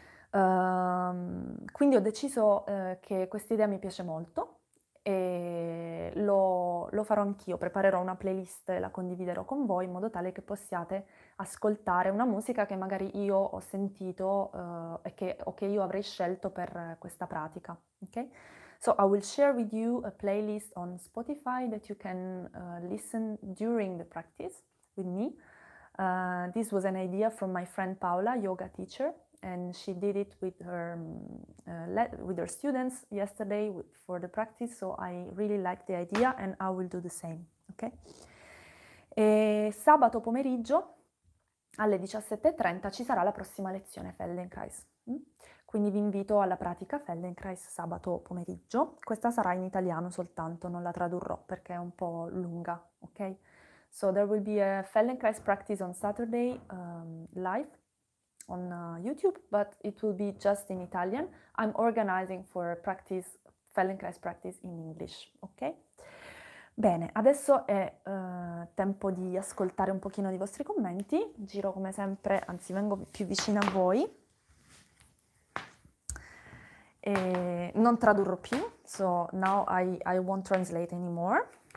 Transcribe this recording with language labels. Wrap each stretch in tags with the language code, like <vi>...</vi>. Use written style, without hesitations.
<it>Quindi ho deciso che questa idea mi piace molto e lo farò anch'io, preparerò una playlist e la condividerò con voi in modo tale che possiate ascoltare una musica che magari io ho sentito e che io avrei scelto per questa pratica, ok?</it> <en>So I will share with you a playlist on Spotify that you can listen during the practice with me. This was an idea from my friend Paola, yoga teacher, and she did it with her students yesterday for the practice. So I really like the idea and I will do the same. Okay?</en> <it>E sabato pomeriggio alle 17:30 ci sarà la prossima lezione Feldenkrais. Quindi vi invito alla pratica Feldenkrais sabato pomeriggio. Questa sarà in italiano soltanto, non la tradurrò perché è un po' lunga, ok?</it> <en>So there will be a Feldenkrais practice on Saturday live on YouTube, but it will be just in Italian. I'm organizing for a practice, Feldenkrais practice in English, ok?</en> <it>Bene, adesso è tempo di ascoltare un pochino di vostri commenti. Giro come sempre, anzi vengo più vicino a voi. E non tradurrò più,</it> <en>so now I won't translate anymore.</en>